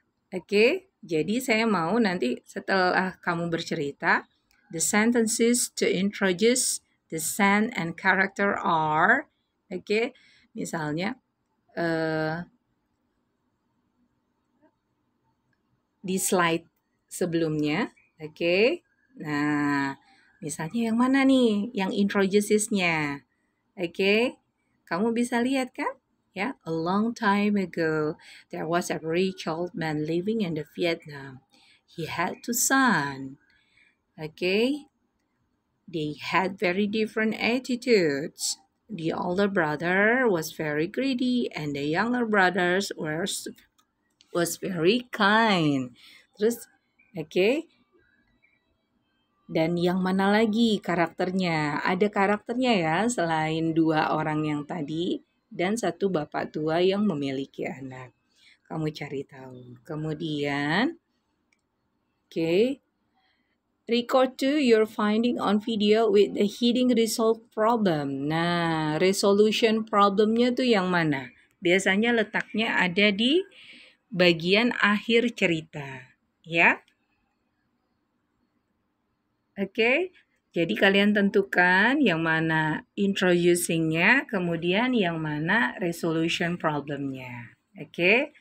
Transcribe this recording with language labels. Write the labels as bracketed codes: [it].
[id] Oke, jadi saya mau nanti setelah kamu bercerita, [en] the sentences to introduce the scene and character are, [id] oke, misalnya, di slide sebelumnya, oke, nah, misalnya yang mana nih, yang introduces-nya, oke, kamu bisa lihat kan? [en] Ya, a long time ago, there was a rich old man living in the Vietnam. He had two sons. Okay, they had very different attitudes. The older brother was very greedy, and the younger brothers was very kind. [id] Terus, okay. Dan yang mana lagi karakternya? Ada karakternya ya, selain dua orang yang tadi. Dan satu bapak tua yang memiliki anak. Kamu cari tahu. Kemudian, oke. [en] Okay, record to your finding on video with the heading resolve problem. [id] Nah, resolution problemnya tuh yang mana? Biasanya letaknya ada di bagian akhir cerita. Ya? Oke. Okay. Jadi kalian tentukan yang mana introducing-nya, kemudian yang mana resolution problem-nya. Oke, okay?